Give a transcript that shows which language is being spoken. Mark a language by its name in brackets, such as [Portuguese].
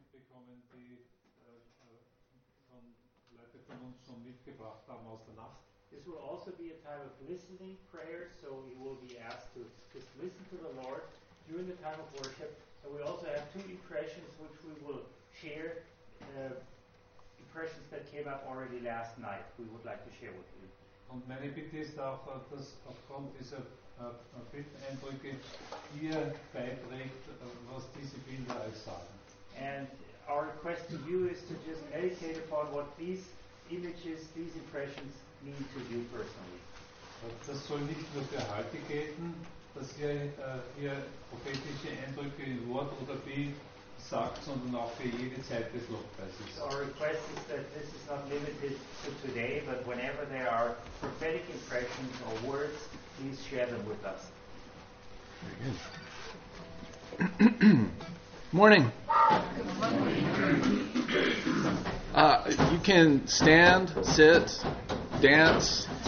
[German] Moment, die von Leute von uns schon mitgebracht haben aus der Nacht. [English] This will also be a time of listening prayer, so you will be asked to just listen to the Lord during the time of worship. And we also have two impressions which we will share, impressions that came up already last night we would like to share with you. [German] Und meine Bitte ist auch, dass aufgrund dieser Bildeindrücke ihr beiträgt, was diese Bilder euch sagen. [English] And our request to you is to just meditate upon what these images, these impressions mean to you personally. [German] Das soll nicht nur für heute gelten, dass ihr hier prophetische Eindrücke in Wort oder Bild sagt, sondern auch für jede Zeit des Lobpreises. [English] So our request is that this is not limited to today, but whenever there are prophetic impressions or words, please share them with us. Morning. You can stand, sit, dance.